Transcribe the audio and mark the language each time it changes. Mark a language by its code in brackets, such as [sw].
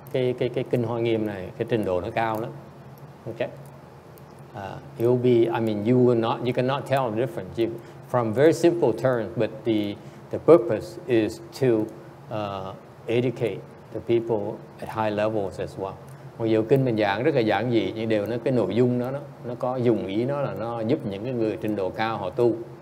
[vi] Cái kinh Hoa Nghiêm này, cái trình độ nó cao lắm. [en] Okay? You cannot tell the difference. You, from very simple terms, but the purpose is to educate the people at high levels as well. [vi] Mặc dù kinh mình giảng rất là giản dị nhưng đều nó cái nội dung nó có dùng ý nó là nó giúp những cái người trình độ cao họ tu.